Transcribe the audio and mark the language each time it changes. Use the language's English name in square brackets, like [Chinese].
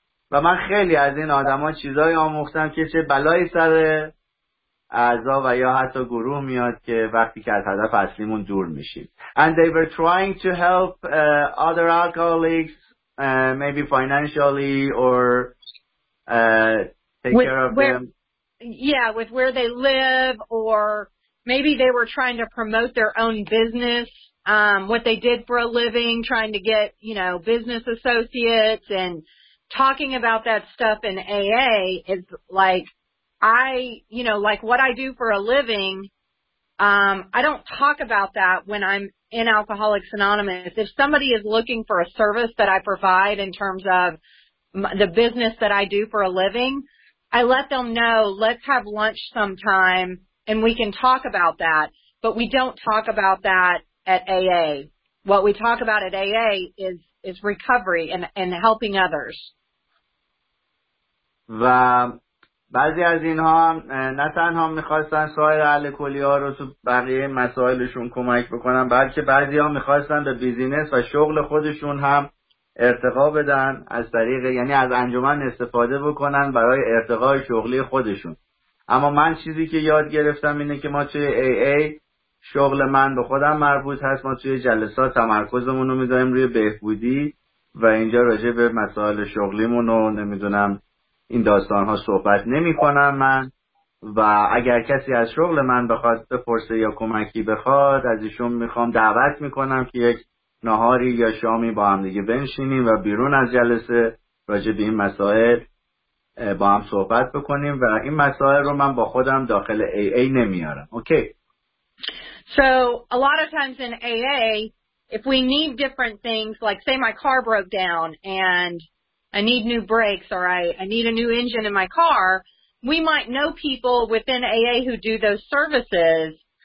[Persian] و من خیلی از این آدما چیزایی آموختم که چه بلایی سر اعضا و یا حتی گروه میاد که وقتی که از هدف اصلیمون دور میشیم. [English] And they were trying to help other alcoholics, maybe financially or take care of them. Yeah, with where they live, or maybe they were trying to promote their own business, what they did for a living, trying to get, you know, business associates and talking about that stuff in AA is like, I, you know, like what I do for a living, I don't talk about that when I'm in Alcoholics Anonymous. If somebody is looking for a service that I provide in terms of the business that I do for a living, I let them know, let's have lunch sometime and we can talk about that. But we don't talk about that at AA. What we talk about at AA is recovery and helping others. [Persian] بعضی از اینها نه تنها میخواستن سایر اهل کلیه ها رو تو بقیه مسائلشون کمک بکنن، بلکه بعضی ها میخواستن به بیزینس و شغل خودشون هم ارتقا بدن، از طریق یعنی از انجمن استفاده بکنن برای ارتقای شغلی خودشون. اما من چیزی که یاد گرفتم اینه که ما توی AA شغل من به خودم مربوط هست، ما توی جلسات تمرکزمون رو میذاریم روی بهبودی و اینجا راجع به مسائل شغلیمون رو نمیدونم این داستان ها صحبت نمی کنم من. و اگر کسی از شغل من بخواد بپرسه یا کمکی بخواد، از ایشون میخوام دعوت میکنم که یک نهاری یا شامی با هم دیگه بنشینیم و بیرون از جلسه راجع به این مسائل با هم صحبت بکنیم و این مسائل رو من با خودم داخل AA نمیارم. اوکی. [English] So a lot of times in AA, if we need different things, like say my car broke down and I need new brakes, or I need a new engine in my car, we might know people within AA who do those services.